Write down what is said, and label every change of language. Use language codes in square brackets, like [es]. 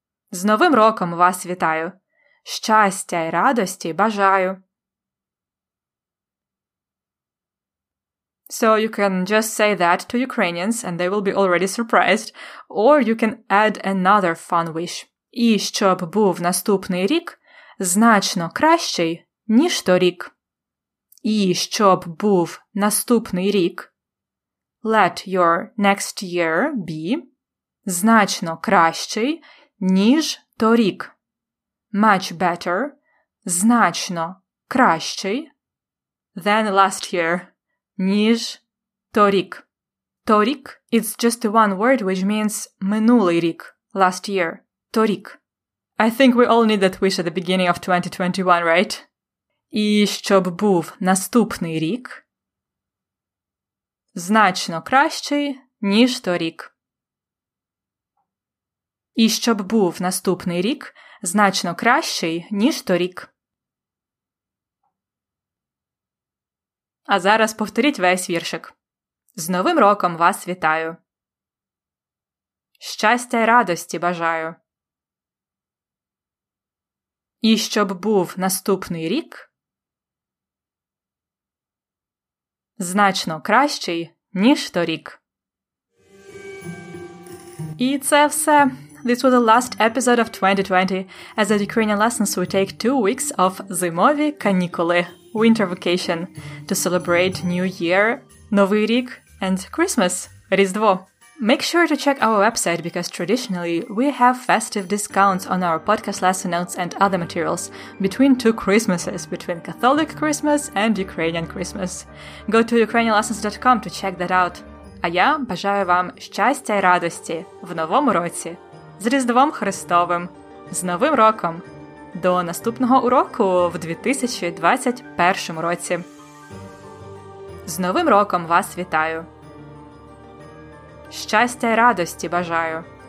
[uk] З Новим Роком вас вітаю. Щастя й радості бажаю. [en] So you can just say that to Ukrainians and they will be already surprised, or you can add another fun wish. [uk] І щоб був наступний рік значно кращий, ніж торік. І щоб був наступний рік, [en] let your next year be [uk] значно кращий, ніж торік. [en] Much better, [uk] значно кращий, [en] than last year. [uk] Ніж торік. [en] Торік is just the one word which means [uk] минулий рік, [en] last year. [uk] Торік. [en] I think we all need that wish at the beginning of 2021, right? [uk] І щоб був наступний рік значно кращий, ніж торік. І щоб був наступний рік значно кращий, ніж торік. А зараз повторіть весь віршик. З Новим Роком вас вітаю. Щастя й радості бажаю. І щоб був наступний рік значно кращий, ніж торік. І це все. [en] This was the last episode of 2020. As at Ukrainian Lessons, we take 2 weeks of [uk] зимові канікули. [en] Winter vacation to celebrate New Year, [uk] Новий рік, [en] and Christmas, Різдво. Make sure to check our website, because traditionally we have festive discounts on our podcast lesson notes and other materials between two Christmases, between Catholic Christmas and Ukrainian Christmas. Go to ukrainianlessons.com to check that out. [uk] А я бажаю вам щастя і радості в новому році, з Різдвом Христовим, з Новим роком, до наступного уроку в 2021 році. З Новим роком вас вітаю! Щастя і радості бажаю!